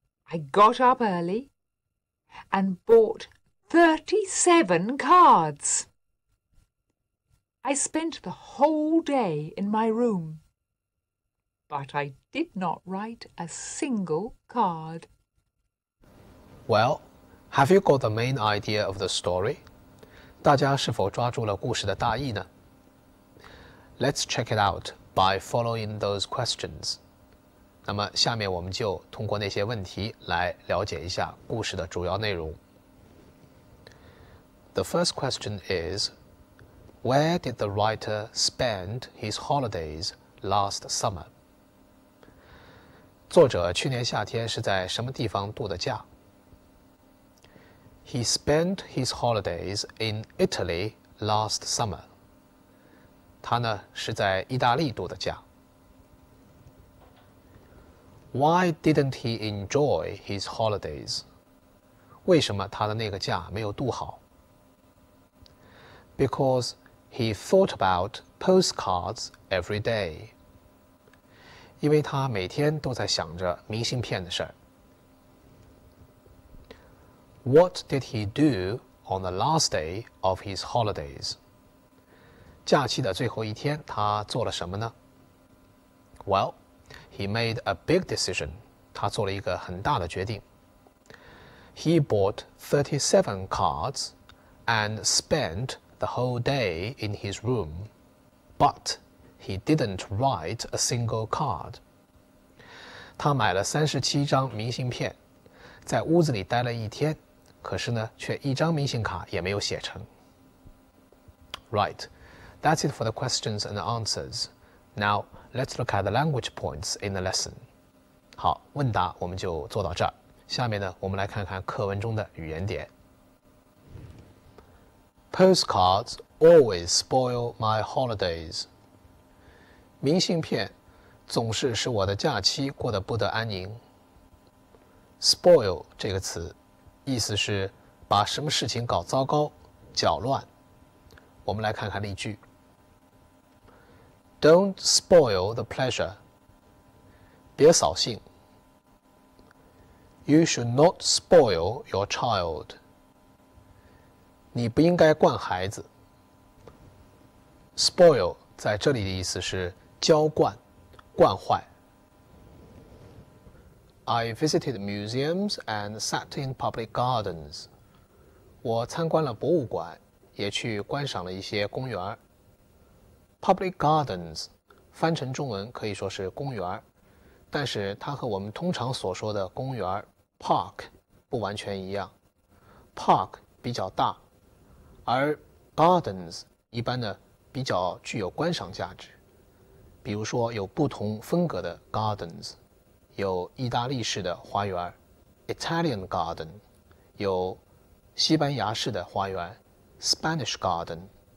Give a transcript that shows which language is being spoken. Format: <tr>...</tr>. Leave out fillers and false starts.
<en>I got up early and bought 37 cards. I spent the whole day in my room, but I did not write a single card. Well,Have you got the main idea of the story?</en> <zh>大家是否抓住了故事的大意呢?</zh> <en>Let's check it out by following those questions.</en> <zh>那么下面我们就通过那些问题来了解一下故事的主要内容。</zh> <en>The first question is, Where did the writer spend his holidays last summer?</en> <zh>作者去年夏天是在什么地方度的假?</zh> <en>He spent his holidays in Italy last summer.</en> <zh>他呢是在意大利度的假。</zh> <en>Why didn't he enjoy his holidays?</en> <zh>为什么他的那个假没有度好?</zh> <en>Because he thought about postcards every day.</en> <zh>因为他每天都在想着明信片的事儿。</zh> <en>What did he do on the last day of his holidays?</en> <zh>假期的最后一天，他做了什么呢？</zh> <en>Well, he made a big decision.</en> <zh>他做了一个很大的决定。</zh> <en>He bought 37 cards and spent the whole day in his room. But he didn't write a single card.</en> <zh>他买了37张明信片，在屋子里待了一天。可是呢，却一张明信卡也没有写成。</zh> <en>Right, that's it for the questions and answers. Now, let's look at the language points in the lesson.</en> <zh>好，问答我们就做到这儿。下面呢，我们来看看课文中的语言点。</zh> <en>Postcards always spoil my holidays.</en> <zh>明信片总是使我的假期过得不得安宁。Spoil 这个词。意思是把什么事情搞糟糕、搅乱。我们来看看例句。</zh> <en>Don't spoil the pleasure.</en> <zh>别扫兴。</zh> <en>You should not spoil your child.</en> <zh>你不应该惯孩子。 Spoil 在这里的意思是浇灌、灌坏。</zh> <en>I visited museums and sat in public gardens.</en> <zh>我参观了博物馆，也去观赏了一些公园。 Public gardens 翻成中文可以说是公园，但是它和我们通常所说的公园 park 不完全一样。 Park 比较大，而 gardens 一般的比较具有观赏价值，比如说有不同风格的 gardens， 有意大利式的花园 Italian garden， 有西班牙式的花园 Spanish garden。</zh>